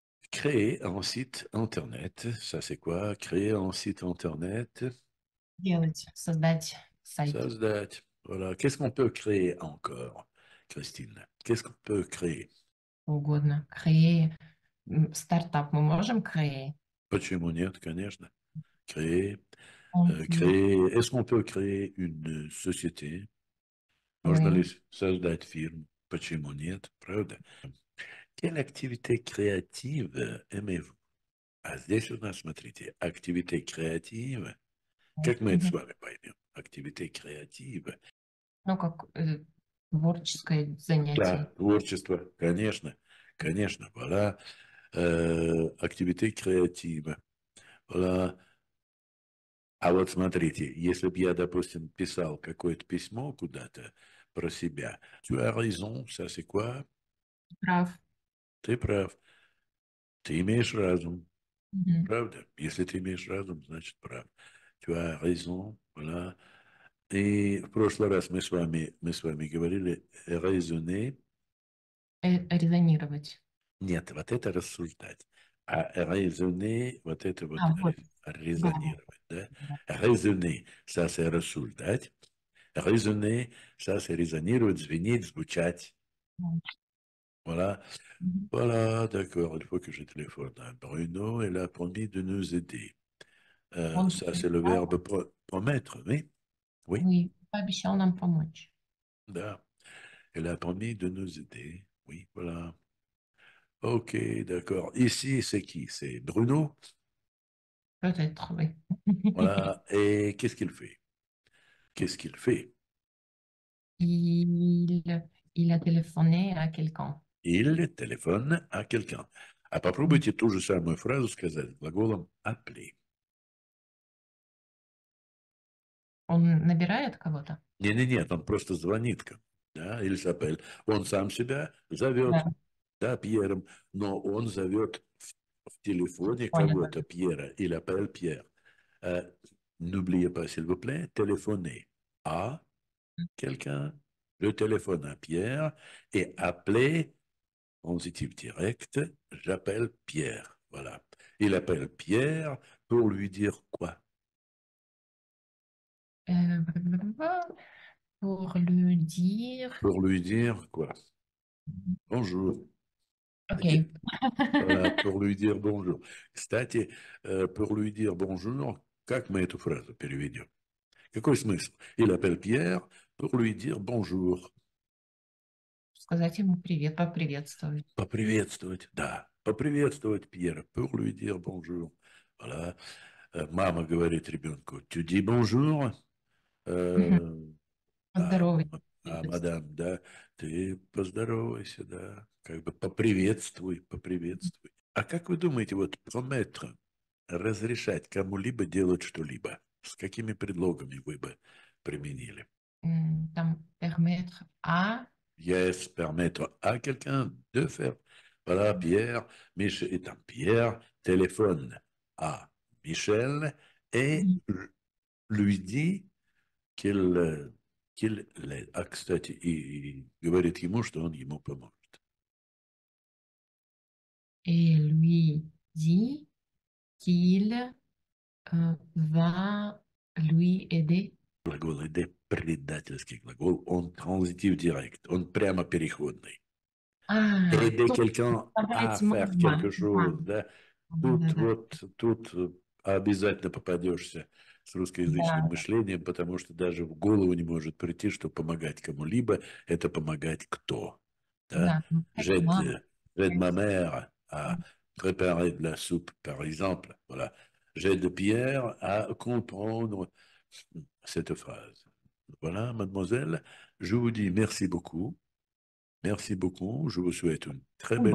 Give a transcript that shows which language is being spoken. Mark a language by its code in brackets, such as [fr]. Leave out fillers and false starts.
[fr] Créer un site Internet. Ça, c'est quoi? Créer un site Internet. [ru] Делать, создать сайт. Создать. [fr] Voilà. Qu'est-ce qu'on peut créer encore, Christine? Qu'est-ce qu'on peut créer? [ru] Угодно. [fr] Créer. [ru] Стартап мы можем [fr] créer. [ru] Почему нет, конечно. [fr] Créer. Créer. Est-ce qu'on peut créer une société? [ru] Можно ли создать фирму? Почему нет? Правда? [fr] Quelle activité créative aimez-vous? [ru] А здесь у нас, смотрите, [fr] activité créative. [ru] Как мы это с вами поймем? [fr] Activité créative. [ru] Ну, как творческое занятие. Да, творчество, конечно. Конечно, [fr] voilà. [ru] Activité créative. Voilà. А вот смотрите, если бы я, допустим, писал какое-то письмо куда-то, [fr] Aussi bien. Tu as raison, ça c'est quoi? Grave. Tes preuves. Tes mèches raison. Mmh. Preuve. Et si tes mèches raison, [ru] значит [fr] preuve. Tu as raison, voilà. Et en prochaine fois, [ru] мы с вами говорили [fr] raisonner. [ru] Резонировать. Нет, вот это рассуждать. А raisonner, вот это вот А, вот, [fr] raisonner, [ru] да? [fr] Raisonner, ça c'est [ru] рассуждать. [fr] Résonner, ça c'est résonner, [ru] звенеть, звучать. [fr] Voilà. Voilà, d'accord. Il faut que je téléphone à Bruno. Elle a promis de nous aider. Ça c'est le verbe promettre, oui. Oui. oui, pas bichon d'un pas match. Là. Elle a promis de nous aider. Oui, voilà. Ok, d'accord. Ici, c'est qui? C'est Bruno. Peut-être, Voilà. Et qu'est-ce qu'il fait? Qu'est-ce qu'il fait? oui. Il a téléphoné à quelqu'un. Il téléphone à quelqu'un. [ru] А попробуйте ту же самую фразу сказать глаголом appeler. Он набирает кого-то? Не-не-не, он просто звонит, да, или [fr] s'appelle. [ru] Он сам себя Да. зовет, да, Пьером, но он зовет в телефоне Понятно. кого-то, Пьера, или [fr] appelle [ru] Пьер. [fr] N'oubliez pas, s'il vous plaît, téléphoner à quelqu'un. Je téléphone à Pierre et appeler, transitif direct, j'appelle Pierre. Voilà. Il appelle Pierre pour lui dire quoi? Pour le dire. Pour lui dire quoi? Bonjour. Voilà, Okay. pour lui dire bonjour. [ru] Кстати, [fr] pour lui dire bonjour. [ru] Как мы эту фразу переведем? Какой смысл? [fr] Il appelle Pierre pour lui dire bonjour. [ru] Сказать ему привет, поприветствовать. Поприветствовать, да. Поприветствовать Пьера [fr] pour lui dire bonjour. Voilà. [ru] Мама говорит ребенку, [fr] tu dis bonjour [ru] Здоровый. а мадам, да, ты поздоровайся, да. Как бы поприветствуй, поприветствуй. А как вы думаете, вот promettre, разрешать кому-либо делать что-либо. С какими предлогами вы бы применили? Там [fr] permettre à Yes, permettre à quelqu'un de faire. Voilà, Pierre, Michel étant Pierre, téléphone à Michel et lui dit qu'il l'aide. [ru] Ah, кстати, il говорит ему, что он ему поможет. [fr] Et lui dit qu'il va lui aider. [ru] Глагол «aider» – предательский глагол, он транзитив директ, он прямо переходный. А, [fr] «Aider [ru] тут [fr] quelqu'un à [ru] давайте [fr] faire quelque [ru] можно. chose», да? Тут Да. вот, тут обязательно попадешься с русскоязычным мышлением, потому что даже в голову не может прийти, что помогать кому-либо – это помогать кто, да? Да, это мама. [fr] «J'aide ma mère à préparer de la soupe», par exemple, voilà. «J'aide Pierre à comprendre». Cette phrase. Voilà, mademoiselle, je vous dis merci beaucoup. Merci beaucoup. Je vous souhaite une très belle